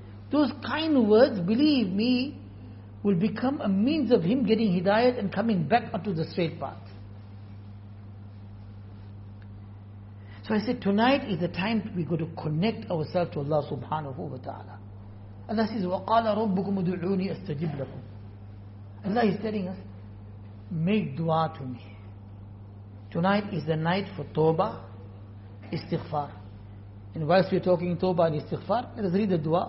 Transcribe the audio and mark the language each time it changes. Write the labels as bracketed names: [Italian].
[English] Those kind words, believe me, will become a means of him getting hidayat and coming back onto the straight path. So I said, tonight is the time we go to connect ourselves to Allah subhanahu wa ta'ala. [Arabic] Allah says, وَقَالَ رَبُّكُمُ دُعُونِي أَسْتَجِبْ لَكُمْ. [English] Allah is telling us, make dua to me. Tonight is the night for tawbah, istighfar. And whilst we're talking tawbah and istighfar, let us read the dua.